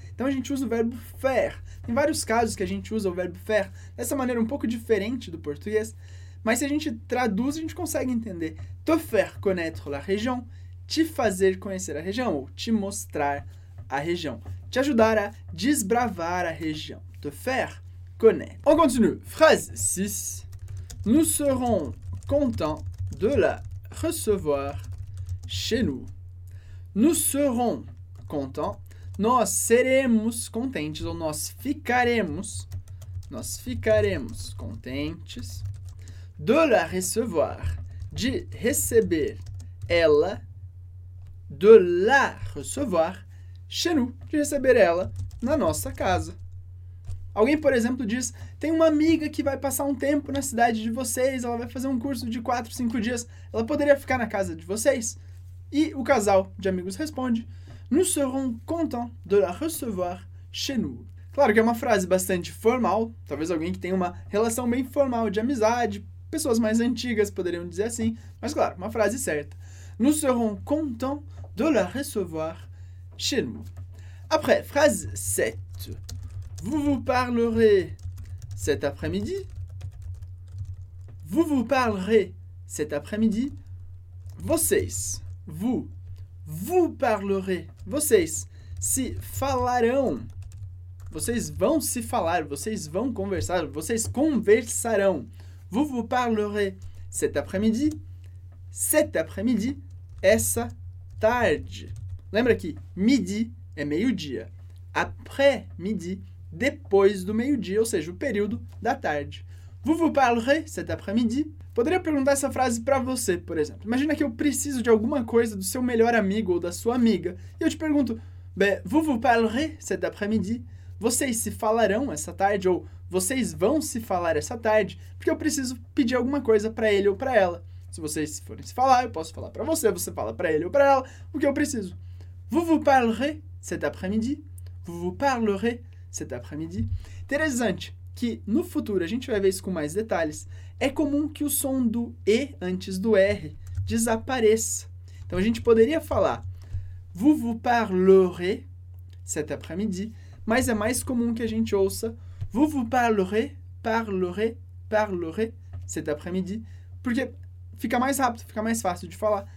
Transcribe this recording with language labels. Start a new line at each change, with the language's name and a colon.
Portuguese: Então a gente usa o verbo faire. Tem vários casos que a gente usa o verbo faire dessa maneira um pouco diferente do português. Mas se a gente traduz, a gente consegue entender.
French: Te faire connaître la région,
Portuguese: te fazer conhecer a região, ou te mostrar a região. Te ajudar a desbravar a região.
French: Te faire connaître. On continue. Phrase 6. Nous serons contents de la recevoir chez nous. Nous serons contents.
Portuguese: Nós seremos contentes, ou nós ficaremos. Nós ficaremos contentes.
French: De la recevoir,
Portuguese: de receber ela,
French: de la recevoir chez nous,
Portuguese: de receber ela na nossa casa. Alguém, por exemplo, diz, tem uma amiga que vai passar um tempo na cidade de vocês, ela vai fazer um curso de 4, 5 dias, ela poderia ficar na casa de vocês? E o casal de amigos responde,
French: nous serons contents de la recevoir chez nous.
Portuguese: Claro que é uma frase bastante formal, talvez alguém que tenha uma relação bem formal de amizade, pessoas mais antigas poderiam dizer assim, mas claro, uma frase certa.
French: Nous serons contents de la recevoir chez nous. Après, phrase 7. Vous vous parlerez cet après-midi. Vous vous parlerez cet après-midi.
Portuguese: Vocês.
French: Vous. Vous parlerez.
Portuguese: Vocês se falarão. Vocês vão se falar. Vocês vão conversar. Vocês conversarão.
French: Vous vous parlerez cet après-midi. Cet après-midi,
Portuguese: essa tarde. Lembra que midi é meio-dia. Après-midi, depois do meio-dia, ou seja, o período da tarde.
French: Vous vous parlerez cet après-midi.
Portuguese: Poderia perguntar essa frase para você, por exemplo. Imagina que eu preciso de alguma coisa do seu melhor amigo ou da sua amiga. E eu te pergunto,
French: vous vous parlerez cet après-midi.
Portuguese: Vocês se falarão essa tarde ou vocês vão se falar essa tarde, porque eu preciso pedir alguma coisa para ele ou para ela. Se vocês forem se falar, eu posso falar para você, você fala para ele ou para ela, o que eu preciso.
French: Vous vous parlerez cet après-midi. Vous vous parlerez cet après-midi.
Portuguese: Interessante que no futuro, a gente vai ver isso com mais detalhes, é comum que o som do E antes do R desapareça. Então a gente poderia falar
French: vous vous parlerez cet après-midi,
Portuguese: mas é mais comum que a gente ouça
French: vous vous parlerez, parlerez, parlerez cet après-midi,
Portuguese: porque fica mais rápido, fica mais fácil de falar.